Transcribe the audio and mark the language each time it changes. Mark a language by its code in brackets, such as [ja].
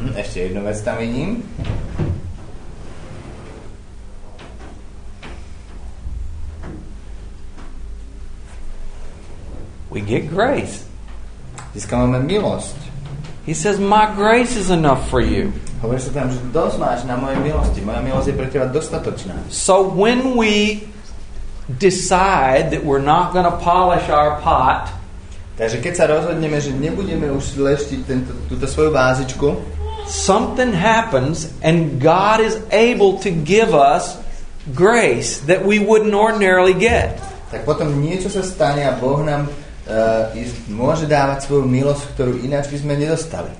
[sk] Ešte jednu vec tam vidím. [en] We get grace. [sk] Získame milosť. [en] He says, "My grace is enough for you." [sk] Hovorí sa tam, že dosť máš na mojej milosti. Moja milosť je pre teba dostatočná. [en] So when we decide that we're not going to polish our pot, [sk] takže keď sa rozhodneme, že nebudeme už leštiť tento, túto svoju vázičku, [en] something happens and God is able to give us grace that we wouldn't ordinarily get. [sk] Tak potom niečo sa stane a Boh nám môže dávať svoju milosť, ktorú ináč by sme nedostali.